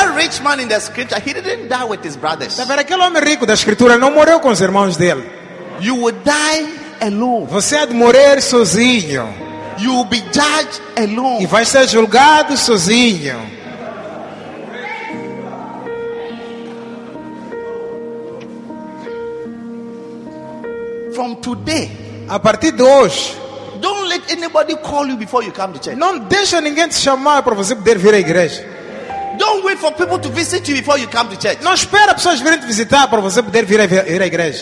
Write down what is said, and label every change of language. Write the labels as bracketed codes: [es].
[en] Rich man in the scripture, he didn't die with his brothers. [pt] Tá vendo aquele homem rico da escritura não morreu com os irmãos dele. [en] You would die alone. [pt] Você há de morrer sozinho. [en] You will be judged alone. [pt] E vai ser julgado sozinho. [en] From today, [pt] a partir de hoje, [en] don't let anybody call you before you come to church. [pt] Não deixa ninguém te chamar para você poder vir à igreja. [en] Don't wait for people to visit you before you come to church. [pt] Não espera pessoas virem te visitar para você poder vir à igreja.